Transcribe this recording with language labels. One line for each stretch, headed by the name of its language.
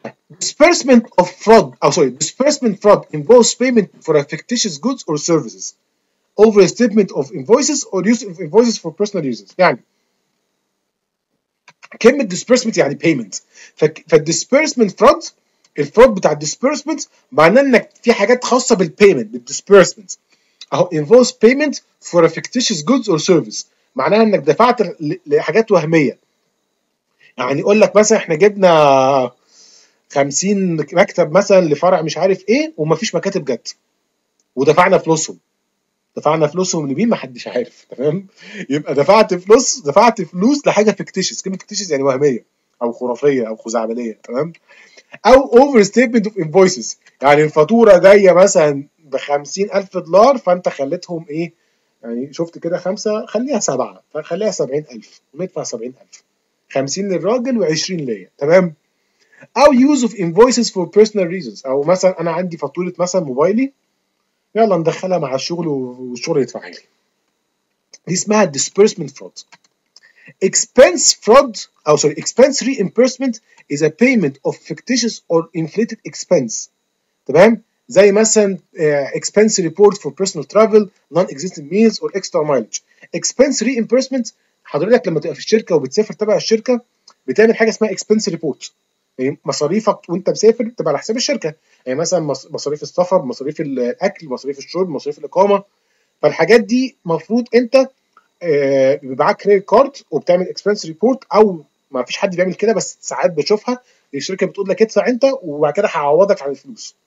English: Disbursement of fraud او sorry disbursement fraud involves payment for fictitious goods or services overstatement of invoices or use of invoices for personal uses.
Arabic: يعني كلمة disbursement يعني payment. فالdisbursement fraud, الفرود بتاع disbursement معناه انك في حاجات خاصة بالpayment, بالdisbursement.
English: أو invoice payment for a fictitious goods or service.
Arabic: معناها انك دفعت لحاجات وهمية. يعني يقول لك مثلا احنا جبنا 50 مكتب مثلا لفرع مش عارف ايه وما فيش مكاتب جت. ودفعنا فلوسهم. دفعنا فلوسهم لمين ما حدش عارف, تمام؟ يبقى دفعت فلوس لحاجه فيكتيشس. كلمه فيكتيشس يعني وهميه او خرافيه او خزعبليه, تمام؟ او
English: overstatement of invoices,
Arabic: يعني الفاتوره جايه مثلا ب 50,000 دولار فانت خليتهم ايه, يعني شفت كده خمسه خليها سبعه فخليها 70,000 وندفع 70,000, 50 للراجل و20 ليا, تمام؟ او
English: use of invoices for personal reasons,
Arabic: او مثلا انا عندي فاتوره مثلا موبايلي يلا ندخلها مع الشغل والشغل يدفعها لي. دي اسمها disbursement fraud.
English: expense fraud او sorry expense reimbursement is a payment of fictitious or inflated expense.
Arabic: تمام؟ زي مثلا
English: expense report for personal travel, non-existent meals or extra mileage.
Arabic: expense reimbursement حضرتك لما تبقى في الشركه وبتسافر تبع الشركه بتعمل حاجه اسمها expense report. يعني مصاريفك وانت مسافر بتبقى على حساب الشركه، يعني مثلا مصاريف السفر، مصاريف الاكل، مصاريف الشرب، مصاريف الاقامه. فالحاجات دي مفروض انت بيبعك كريدت كارد وبتعمل اكسبنس ريبورت، او ما فيش حد بيعمل كده بس ساعات بشوفها الشركه بتقول لك ادفع انت وبعد كده هعوضك عن الفلوس.